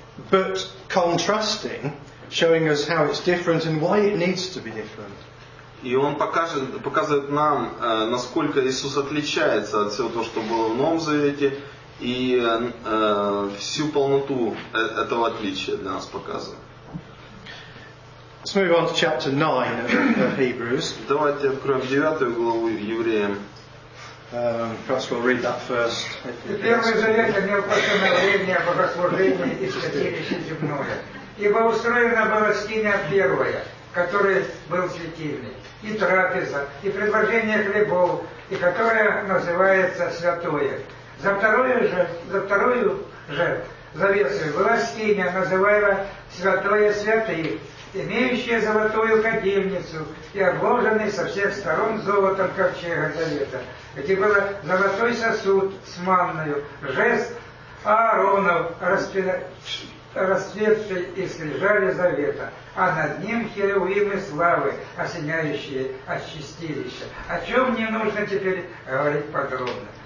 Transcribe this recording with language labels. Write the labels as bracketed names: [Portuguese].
[English] But contrasting, showing us how it's different and why it needs to be different. [Russian] И он показывает нам, насколько Иисус отличается от всего того, что было в Новом Завете, и всю полноту этого отличия для нас показывает. [English] Let's move on to chapter 9 of Hebrews. [Russian] Давайте откроем 9 главу Евреям. [English] Perhaps we'll read that first. [Russian] Первый завет о неопасном времени, о богослужении и святилище земное. Ибо устроена была скиния первая, которая был светильник, и трапеза, и предложение хлебов, и которая называется святое. За вторую же завесу была скиния, называемая святое святых, имеющая золотую кадильницу и обложенный со всех сторон золотом ковчега завета, где был золотой сосуд с манною, жест Ааронов, расцветший и скрижали завета, а над ним херувимы славы, осеняющие очистилище, о чем не нужно теперь говорить подробно.